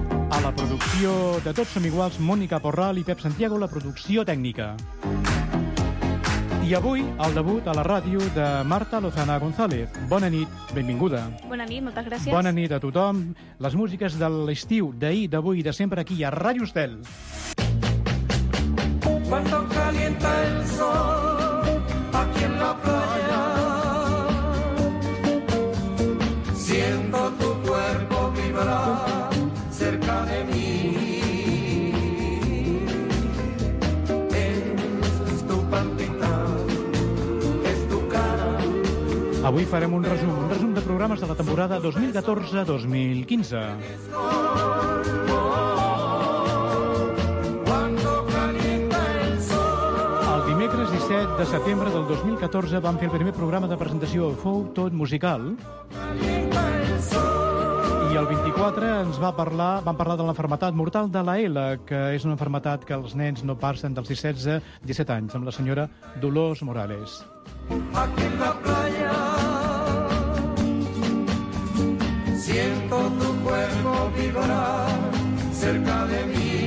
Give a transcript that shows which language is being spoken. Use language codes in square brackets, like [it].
[ca] A la producció de Tots Som Iguals, Mònica Porral i Pep Santiago, la producció tècnica. I avui, el debut a la ràdio de Marta Lozana González. Bona nit, benvinguda. Bona nit, moltes gràcies. Bona nit a tothom. Les músiques de l'estiu, d'ahir, d'avui i de sempre aquí a Ràdio Estel. [es] Cuando calienta el sol aquí en la playa, siento tu cuerpo vibrar cerca de mí. Es tu pantita, es tu cara. [ca] Avui farem un resum de programes de la temporada 2014-2015. Dimecres 17 de setembre del 2014 vam fer el primer programa de presentació. Fou tot musical. I el 24 ens vam parlar de l'enfermetat mortal de la L, que és una enfermetat que els nens no passen dels 16-17 anys, amb la senyora Dolors Morales. [es] Aquí en la playa, siento tu cuerpo vibrar cerca de mí.